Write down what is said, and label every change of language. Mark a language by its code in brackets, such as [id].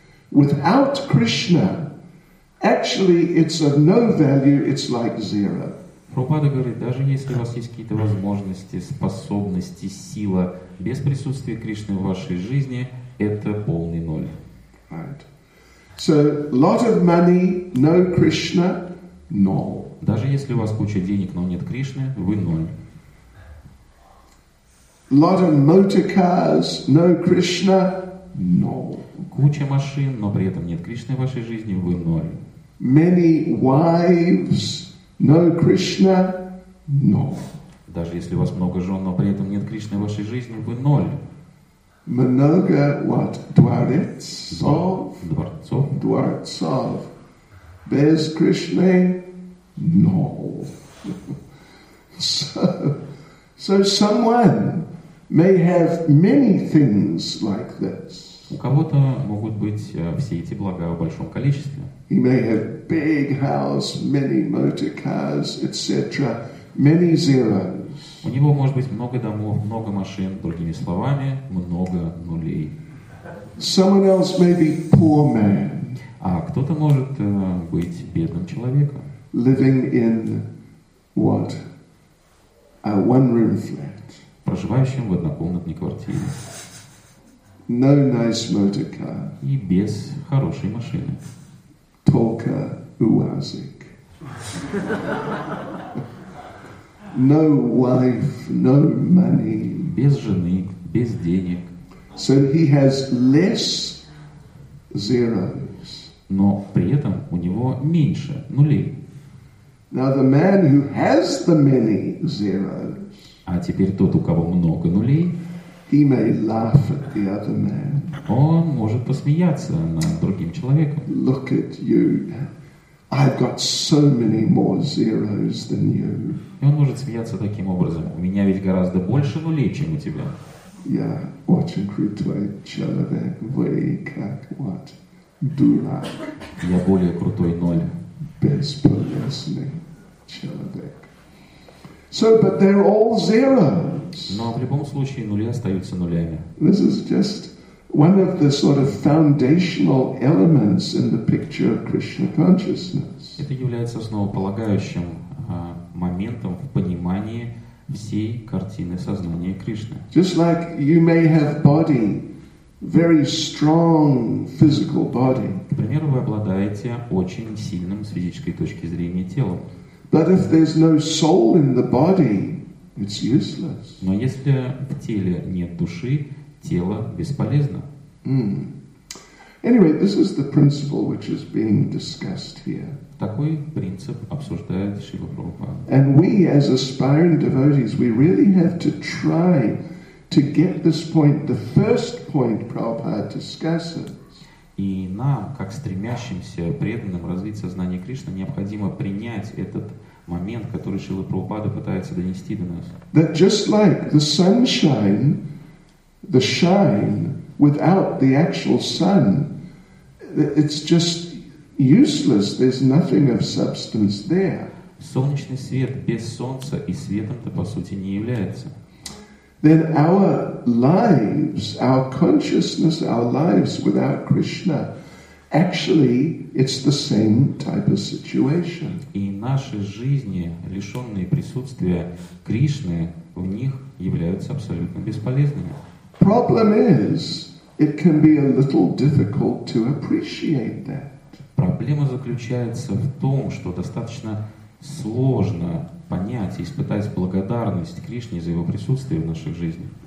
[en] Without Krishna, actually, it's of no value, it's like zero. [ru] Прабхупада говорит, даже если у вас есть какие-то возможности, способности, сила, без присутствия Кришны в вашей жизни, это полный ноль. [en] Right. So, lot of money, no Krishna, no. [ru] Даже если у вас куча денег, но нет Кришны, вы ноль. [en] Lot of motor cars, no Krishna, no. [ru] Куча машин, но при этом нет Кришны в вашей жизни, вы ноль. [en] Many wives, no Krishna, no. [ru] Даже если у вас много жен, но при этом нет Кришны в вашей жизни, вы ноль. Много, [en] what? [ru] Дворцов. Дворцов. Дворцов. Без Кришны, [en] no. So someone may have many things like this. [ru] У кого-то могут быть все эти блага в большом количестве. [en] He may have big house, many motor cars, etc., many zeros. [ru] У него может быть много домов, много машин, другими словами, много нулей. [en] Someone else may be poor man. [ru] А кто-то может быть бедным человеком. [en] Living in what? A one-room flat. [ru] Проживающим в однокомнатной квартире. [en] No nice motor car. [ru] И без хорошей машины. Talker Uwazik. [en] No wife, no money. [ru] Без жены, без денег. [en] So he has less zeros. [ru] Но при этом у него меньше нулей. [en] Now the man who has the many zeros. [ru] А теперь тот, у кого много нулей. [en] He may laugh at the other man. [ru] Он может посмеяться над другим человеком. [en] Look at you. I've got so many more zeros than you. [ru] И он может смеяться таким образом. У меня ведь гораздо больше нулей, чем у тебя. Yeah, очень крутой человек. Вы как [en] what? [ru] Дурак. Я более крутой ноль. Бесполезный человек. [en] So, but they're all zeros. [ru] Но в любом случае нули остаются нулями. [en] This is just one of the sort of foundational elements in the picture of Krishna consciousness. [ru] Это является основополагающим моментом в понимании всей картины сознания Кришны. [en] Just like you may have body, very strong physical body. [ru] К примеру, вы обладаете очень сильным с физической точки зрения телом. [en] But if there's no soul in the body, it's useless. [ru] Но если в теле нет души, тело бесполезно. [en] Anyway, this is the principle which is being discussed here. [ru] Такой принцип обсуждает Шрила Прабхупада. [en] And we, as aspiring devotees, we really have to try to get this point, the first point Prabhupada discusses. [ru] И нам, как стремящимся преданным развить сознание Кришны, необходимо принять этот момент, который Шрила Прабхупада пытается донести до нас. [en] That just like the sunshine, the shine without the actual sun, it's just useless. There's nothing of substance there. [ru] Солнечный свет без солнца и светом-то по сути не является. [en] Then our lives, our consciousness, our lives without Krishna, actually, it's the same type of situation. [ru] И наши жизни, лишенные присутствия Кришны, в них являются абсолютно бесполезными. [en] Problem is, it can be a little difficult to appreciate that. [ru] Проблема заключается в том, что достаточно сложно понять и испытать благодарность Кришне за его присутствие в нашей жизни.